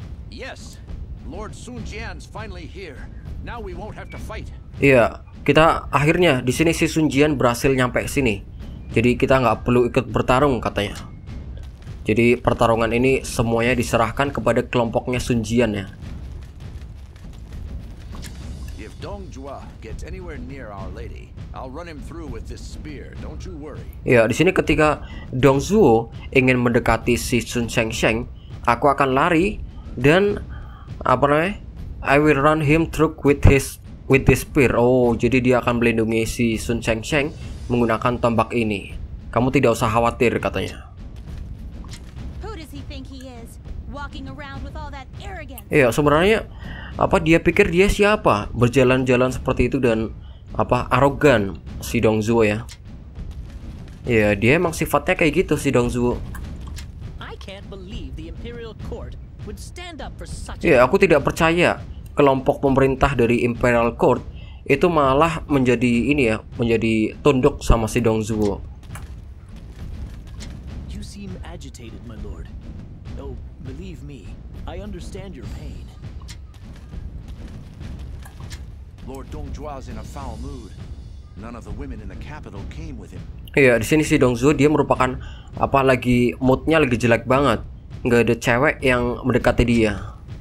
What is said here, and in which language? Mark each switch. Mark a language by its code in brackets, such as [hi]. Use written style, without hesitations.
[en] Yes. Lord Sun Jian's finally here. Now we won't have to fight. [id] Iya, kita akhirnya di sini si Sun Jian berhasil nyampe sini. Jadi kita nggak perlu ikut bertarung katanya. Jadi pertarungan ini semuanya diserahkan kepada kelompoknya Sun Jian ya. [en] If Dong Jua gets anywhere near our lady, I'll run him through with this spear. Don't you worry. [id] Iya, di sini ketika Dong Zhuo ingin mendekati si Sun Sheng Sheng, aku akan lari dan apa namanya? [en] I will run him through with this spear. [id] Oh, jadi dia akan melindungi si Sun Sheng Sheng menggunakan tombak ini. Kamu tidak usah khawatir katanya. [en] Who does he think he is walking around with all that arrogance? [id] Iya, sebenarnya apa dia pikir dia siapa berjalan-jalan seperti itu dan apa arogan si Dong Zhuo ya? Iya, dia emang sifatnya kayak gitu si Dong Zhuo. [en] I can't believe the Imperial Court. [id] Ya, aku tidak percaya kelompok pemerintah dari Imperial Court itu malah menjadi ini ya, menjadi tunduk sama si Dong Zhuo. [en] You seem agitated, my lord. No, believe me, I understand your pain. Lord Dong Zhuo's in a foul mood. None of the women in the capital came with him. [id] Ya, di sini si Dong Zhuo dia merupakan apa lagi moodnya lagi jelek banget. Nggak ada cewek yang mendekati dia.